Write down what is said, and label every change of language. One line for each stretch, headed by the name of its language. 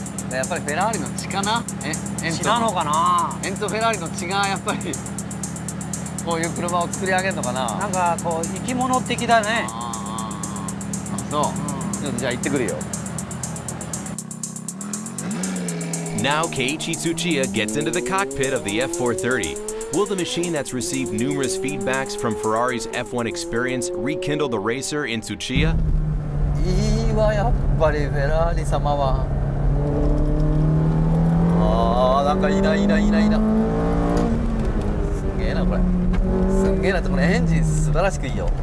Japanese: やっぱりフェラーリの血かな。血なのかな。エンツォ・フェラーリの血がやっぱりこういう車を作り上げるのかな。なんかこう生き物的だね。そう、ちょっとじゃあ行ってくるよ。
English: Now Keiichi Tsuchiya gets into the cockpit of the F430. Will the machine that's received numerous feedbacks from Ferrari's F1 experience rekindle the racer in Tsuchiya?
Japanese: いいわ、やっぱりフェラーリ様は。ああ、なんかいいな、いいな、いいな、いいな。すげえな、これ。すげえな、このエンジン素晴らしくいいよ。